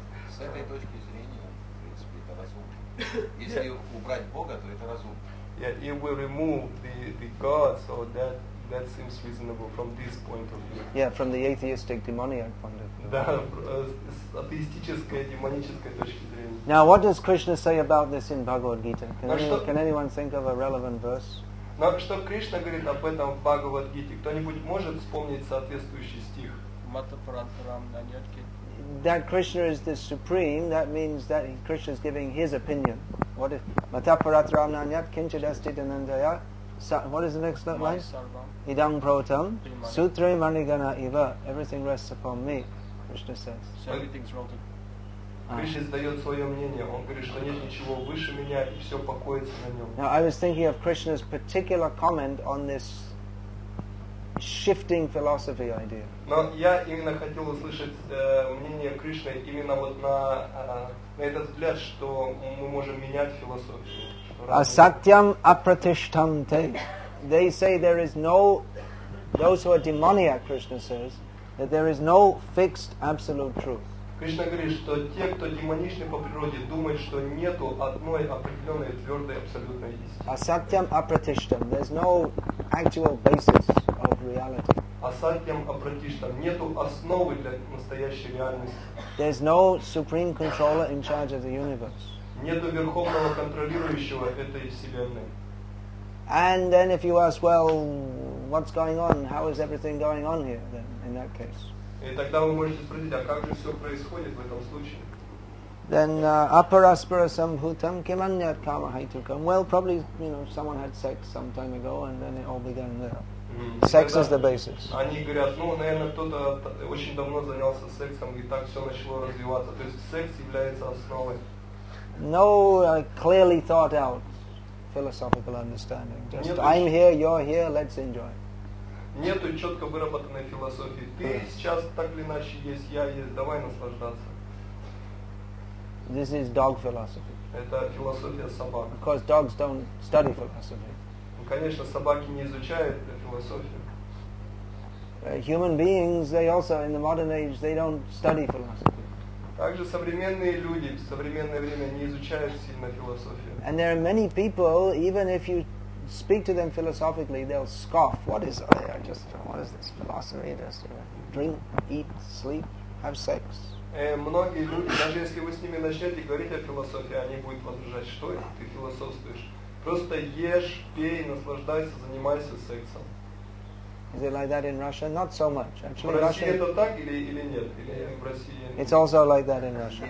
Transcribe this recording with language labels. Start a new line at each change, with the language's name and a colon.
Russian: С этой точки зрения, в принципе, это разумно. Если убрать Бога, то это разумно.
English: Yeah, if we remove the God, so that That seems reasonable from this point of view. Yeah, from the atheistic demoniac point of view.
Russian: Да, с атеистической демонической точки зрения.
English: Now, what does Krishna say about this in Bhagavad Gita? Can anyone think of a relevant verse?
Russian: Но что Кришна говорит об этом в Бхагавад Гите? Кто-нибудь может вспомнить соответствующий стих?
English: That Krishna is the supreme, that means that Krishna is giving his opinion. What is
Sanskrit: Matapuratram Nanyat Kinchadasti Dhanandaya?
English: What is the next line?
Sanskrit: Idam Protam Sutra Manigana Iva.
English: Everything rests upon me, Krishna says. So everything's rotten.
Russian: Кришна дает свое мнение. Он говорит, что нет ничего выше меня, и все покоится на нем.
English: Now I was thinking of Krishna's particular comment on this shifting philosophy idea.
Russian: Но я именно хотел услышать мнение Кришны именно вот на этот взгляд, что мы можем менять философию.
Sanskrit: Асатьям апратиштам те.
English: They say there is no. Those who are demoniac, Krishna says, that there is no fixed absolute truth.
Russian: Кришна говорит, что те, кто демоничны по природе, думают, что нету одной определенной твердой абсолютной истины.
Sanskrit: Асатьям апратиштам.
English: There's no actual basis of reality.
Sanskrit: Асатьям апратиштам.
Russian: Нету основы для настоящей реальности.
English: There's no supreme controller in charge of the universe.
Russian: Нету верховного контролирующего этой вселенной.
English: And then if you ask, well, what's going on? How is everything going on here then in that case?
Russian: И тогда вы можете спросить, а как же все происходит в этом случае?
Sanskrit: Then aparaspara sambhutam kimanyat kama haitukam.
English: Well, probably, you know, someone had sex some time ago and then it all began there. Sex is the basis.
Russian: Они говорят, ну, наверное, кто-то очень давно занялся сексом и так все начало развиваться. То есть секс является основой.
English: No clearly thought out philosophical understanding. Just I'm here, you're here, let's enjoy.
Russian: Нету четко выработанной философии. Ты сейчас так или иначе есть, я есть, давай наслаждаться.
English: This is dog philosophy.
Russian: Это философия собак.
English: Because dogs don't study philosophy.
Russian: Конечно, собаки не изучают философию.
English: Human beings, they also in the modern age, they don't study philosophy.
Russian: Также современные люди в современное время не изучают сильно философию.
English: And there are many people, even if you speak to them philosophically, they'll scoff. What is it? What is this philosophy? Just drink, eat, sleep, have sex.
Russian: Многие люди, даже если вы с ними начнете говорить о философии, они будут возражать, что ты философствуешь. Просто ешь, пей, наслаждайся, занимайся сексом.
English: Is it like that in Russia? Not so much. Actually,
Russian: в России это так или нет? Или в России?
English: It's also like that in Russia.